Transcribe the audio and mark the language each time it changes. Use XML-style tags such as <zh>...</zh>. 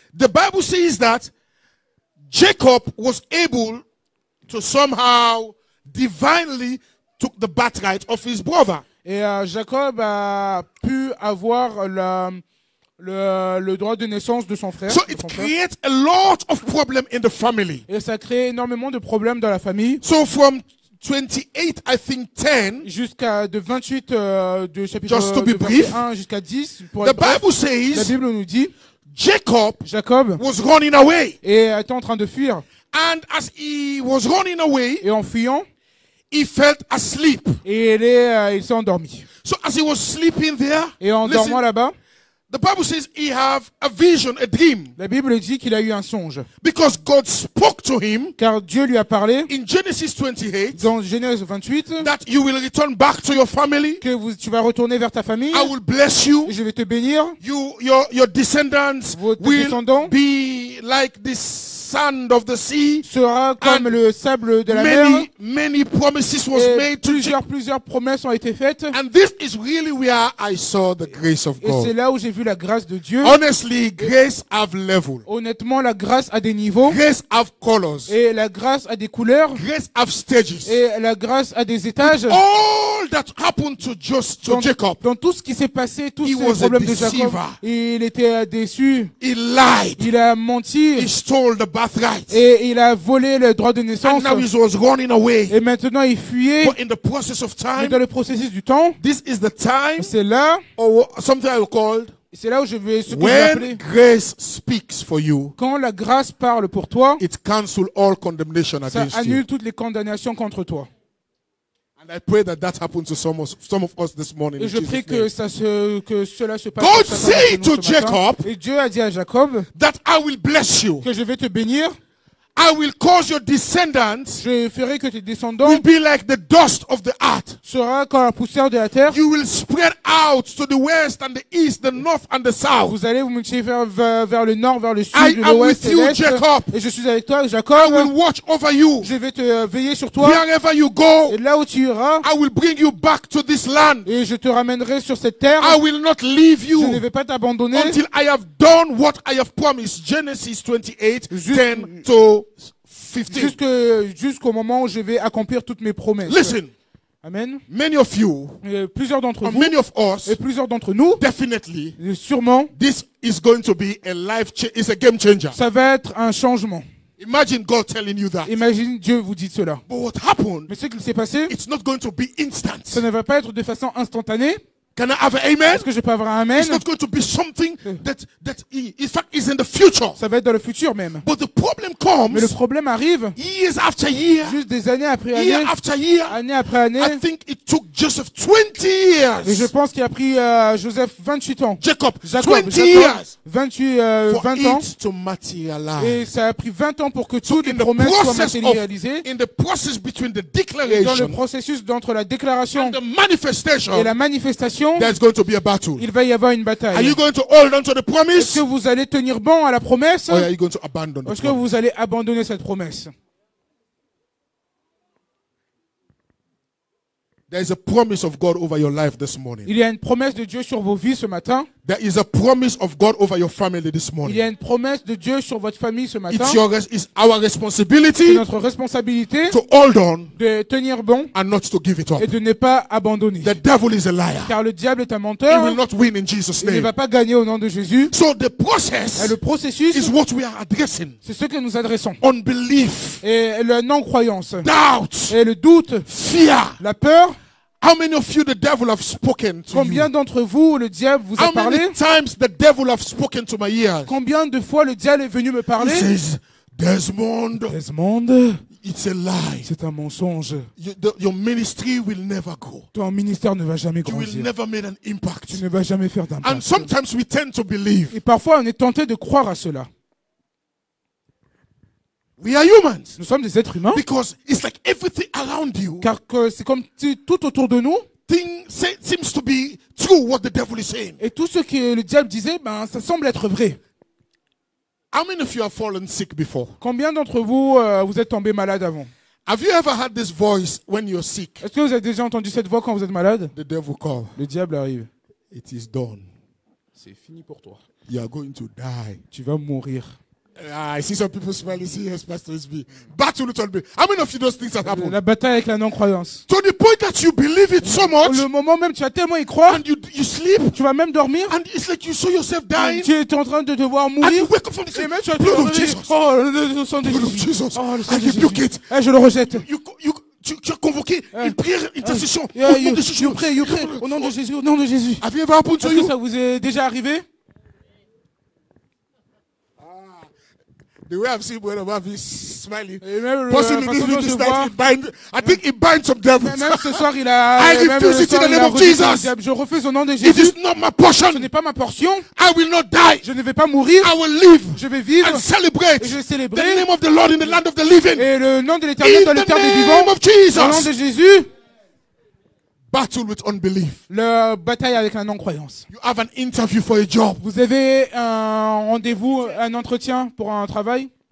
<en>the Bible says that Jacob was able to somehow divinely took the birthright of his brother,</en> <fr>et Jacob a pu avoir le droit de naissance de son frère.</fr> <en>So it creates a lot of problem in the family.</en> <fr>Et ça crée énormément de problèmes dans la famille.</fr> <en>So from 28, I think 10.</en> <fr>Jusqu'à de 28 de chapitre</fr> <en>just to be brief,</en> <fr>1 jusqu'à 10. Pour</fr> <en>the</en> <fr>bref,</fr> <en>Bible says.</en> <fr>La Bible nous dit.</fr> <en>Jacob was running away.</en> <fr>Et était en train de fuir.</fr> <en>And as he was running away.</en> <fr>Et en fuyant.</fr> <en>He felt asleep.</en> <fr>Et il s'est endormi.</fr> <en>So as he was sleeping there.</en> <fr>Et en dormant là-bas.</fr> <en>The Bible says he have a vision, a dream.</en> <fr>La Bible dit qu'il a eu un songe.</fr> <en>Because God spoke to him.</en> <fr>Car Dieu lui a parlé.</fr> <en>In Genesis 28.</en> <fr>Dans Genèse 28.</fr> <en>That you will return back to your family.</en> <fr>Que vous, tu vas retourner vers ta famille.</fr> <en>I will bless you.</en> <fr>Je vais te bénir.</fr> <en>You, your descendants will be like the sand of the sea.</en> <fr>Sera comme le sable de la</fr> <en>many,</en> <fr>mer.</fr> <en>Many promises was</en> <fr>et</fr> <en>made to</en> <fr>plusieurs, plusieurs promesses ont été faites.</fr> <en>And this is really where I saw the grace of God.</en> <fr>Et c'est là où j'ai vu la grâce de Dieu.</fr> <en>Honestly, grace have level.</en> <fr>Honnêtement, la grâce a des niveaux.</fr> <en>Grace have colors.</en> <fr>Et la grâce a des couleurs.</fr> <en>Grace have stages.</en> <fr>Et la grâce a des étages.</fr> <en>With all that happened to Jacob.</en> <fr>Dans tout ce qui s'est passé, tous ces problèmes de Jacob. Il était déçu.</fr> <en>He lied.</en> <fr>Il a menti.</fr> <en>He stole the birthright.</en> <fr>Et il a volé le droit de naissance.</fr> <en>And now he was running away.</en> <fr>Et maintenant il fuyait.</fr> <en>But in the process of time,</en> <fr>mais dans le processus du temps,</fr> <en>this is the time,</en> <fr>c'est là,</fr> <en>or something I called,</en> <fr>c'est là où je vais</fr> <en>when grace speaks for you,</en> <fr>quand la grâce parle pour toi,</fr> <en>it cancels all condemnation against you.</en> <fr>Ça annule toutes les condamnations contre toi.</fr> <en>And I pray that happens to some of us this morning.</en> <fr>Et je prie que ça se que cela se passe.</fr> <en>God said to Jacob.</en> <fr>Et Dieu a dit à Jacob</fr> <en>that I will bless you.</en> <fr>Que je vais te bénir.</fr> <en>I will cause your descendants.</en> <fr>Je ferai que tes descendants</fr> <en>will be like the dust of the earth.</en> <fr>Sera comme la poussière de la terre.</fr> <en>You will spread out to the west and the east, the north and the south.</en> <fr>Vous allez vous multiplier vers le nord, vers le sud, vers l'ouest et l'est.</fr> <en>Jacob.</en> <fr>Et je suis avec toi, Jacob.</fr> <en>I will watch over you.</en> <fr>Je vais te veiller sur toi.</fr> <en>Wherever you go.</en> <fr>Et là où tu iras.</fr> <en>I will bring you back to this land.</en> <fr>Et je te ramènerai sur cette terre.</fr> <en>I will not leave you.</en> <fr>Je ne vais pas t'abandonner.</fr> <en>Until I have done what I have promised. Genesis 28, 10 to 15.</en> <fr>Jusqu'au moment où je vais accomplir toutes mes promesses.</fr> <en>Listen. Amen. Many of you,</en> <fr>et plusieurs d'entre vous,</fr> <en>many of us,</en> <fr>et plusieurs d'entre nous,</fr> <en>definitely,</en> <fr>sûrement,</fr> <en>this is going to be a life is a game changer.</en> <fr>Ça va être un changement.</fr> <en>Imagine God telling you that.</en> <fr>Imagine Dieu vous dit cela.</fr> <en>But what happened?</en> <fr>Mais ce qui s'est passé?</fr> <en>It's not going to be instant.</en> <fr>Ça ne va pas être de façon instantanée.</fr> <en>Can I have an amen?</en> <fr>Est-ce que je peux avoir un amen?</fr> <en>It's not going to be something that he, in fact is in the future.</en> <fr>Ça va être dans le futur même.</fr> <en>But the problem comes.</en> <fr>Mais le problème arrive.</fr> <en>Years after year.</en> <fr>Juste des années après années.</fr> <en>Year after year.</en> <fr>Année après année.</fr> <en>I think it took Joseph 20 years.</en> <fr>Et je pense qu'il a pris Joseph 28 ans.</fr> <en>Jacob 20 years.</en> <fr>20</fr> <en>for</en> <fr>ans.</fr> <en>It to materialize.</en> <fr>Et ça a pris 20 ans pour que toutes les promesses soient matérialisées.</fr> <en>In the process between the declaration.</en> <fr>Dans le processus entre la déclaration</fr> <en>and the manifestation.</en> <fr>Et la manifestation.</fr> <en>There's going to be a battle.</en> <fr>Il va y avoir une bataille.</fr> <en>Are you going to hold on to the promise?</en> <fr>Est-ce que vous allez tenir bon à la promesse?</fr> <en>Or are you going to abandon the promise?</en> <fr>Vous allez abandonner cette promesse?</fr> <en>There is a promise of God over your life this morning.</en> <fr>Il y a une promesse de Dieu sur vos vies ce matin.</fr> <en>There is a promise of God over your family this morning.</en> <fr>Il y a une promesse de Dieu sur votre famille ce matin.</fr> <en>It's our responsibility.</en> <fr>C'est notre responsabilité.</fr> <en>To hold on.</en> <fr>De tenir bon.</fr> <en>And not to give it up.</en> <fr>Et de ne pas abandonner.</fr> <en>The devil is a liar.</en> <fr>Car le diable est un menteur.</fr> <en>He will not win in Jesus' name.</en> <fr>Il ne va pas gagner au nom de Jésus.</fr> <en>So the process.</en> <fr>Et le processus.</fr> <en>Is what we are addressing.</en> <fr>C'est ce que nous adressons.</fr> <en>Unbelief.</en> <fr>Et la non-croyance.</fr> <en>Doubt.</en> <fr>Et le doute.</fr> <en>Fear.</en> <fr>La peur.</fr> <en>How many of you the devil have spoken to?</en> <fr>Combien</fr> <en>you?</en> <fr>D'entre vous le diable vous</fr> <en>how</en> <fr>a parlé?</fr> <en>How many times the devil have spoken to my ears?</en> <fr>Combien de fois le diable est venu me parler?</fr> <en>He says, Desmond.</en> <fr>Desmond.</fr> <en>It's a lie.</en> <fr>C'est un mensonge.</fr> <en>Your ministry will never grow.</en> <fr>Ton ministère ne va jamais grandir.</fr> <en>You will never make an impact.</en> <fr>Tu ne vas jamais faire d'impact.</fr> <en>And sometimes we tend to believe.</en> <fr>Et parfois on est tenté de croire à cela.</fr> <en>We are humans.</en> <fr>Nous sommes des êtres humains.</fr> <en>Because it's like everything around you.</en> <fr>Car c'est comme tout autour de nous.</fr> <en>Things seems to be true what the devil is saying.</en> <fr>Et tout ce que le diable disait, ben ça semble être vrai.</fr> <en>How many of you have fallen sick before?</en> <fr>Combien d'entre vous vous êtes tombé malade avant?</fr> <en>Have you ever had this voice when you're sick?</en> <fr>Est-ce que vous avez déjà entendu cette voix quand vous êtes malade?</fr> <en>The devil calls.</en> <fr>Le diable arrive.</fr> <en>It is done.</en> <fr>C'est fini pour toi.</fr> <en>You are going to die.</en> <fr>Tu vas mourir.</fr> <en>I see some people smiling. See, yes, Pastor SB. Battle to be. How many of you those things have happened?</en> <fr>La bataille avec la non-croyance.</fr> <en>To the point that you believe it so much.</en> <fr>Le moment même, tu as tellement y croire.</fr> <en>And you sleep.</en> <fr>Tu vas même dormir.</fr> <en>And it's like you saw yourself dying.</en> <fr>Tu es en train de te voir mourir.</fr> <en>And you wake up from the sleep. Blood of Jesus.</en> <fr>Oh, le sang de Jésus. Oh, le sang de Jésus.</fr> <en>I rebuke it.</en> <fr>Et je le rejette. Tu as convoqué une prière, une intercession.</fr> <en>You pray.</en> <fr>Au nom de Jésus. Au nom de Jésus.</fr> <en>Have you ever happened to you?</en> <fr>Est-ce que ça vous est déjà arrivé?</fr> <en>The way I've seen Bueno Mavi smiling. Possibly this week tonight, I think he binds some devils.</en> <fr>Même ce soir, il a,</fr> <en>I refuse it in the name of Jesus.</en> <fr>Je refuse au nom de Jésus.</fr> <en>It is not my portion.</en> <fr>Ce n'est pas ma portion.</fr> <en>I will not die.</en> <fr>Je ne vais pas mourir.</fr> <en>I will live.</en> <fr>Je vais vivre.</fr> <en>And celebrate.</en> <fr>Et je vais célébrer.</fr> <en>The name of the Lord in the land of the living.</en> <fr>Et le nom de l'Éternel dans les terres des vivants.</fr> <en>In the name of Jesus.</en> <fr>Au nom de Jésus.</fr> <en>Battle with unbelief.</en> <fr>Le bataille avec la non-croyance.</fr> <en>You have an interview for a job.</en> <fr>Vous avez un rendez-vous, un entretien pour un travail.</fr>